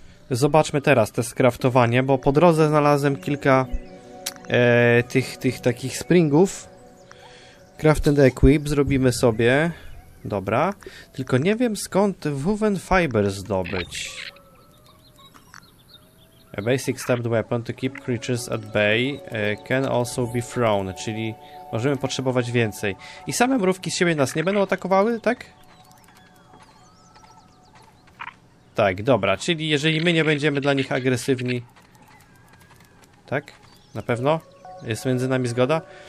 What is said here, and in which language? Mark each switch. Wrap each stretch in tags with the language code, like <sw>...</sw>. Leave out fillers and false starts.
<pl>Zobaczmy teraz te skraftowanie, bo po drodze znalazłem kilka tych takich springów.</pl> <en>Craft and equip</en> <pl>zrobimy sobie. Dobra. Tylko nie wiem, skąd woven fiber zdobyć.</pl> <en>A basic stabbed weapon to keep creatures at bay can also be thrown.</en> <pl>Czyli możemy potrzebować więcej. I same mrówki z siebie nas nie będą atakowały, tak? Tak, dobra. Czyli jeżeli my nie będziemy dla nich agresywni. Tak? Na pewno? Jest między nami zgoda?</pl>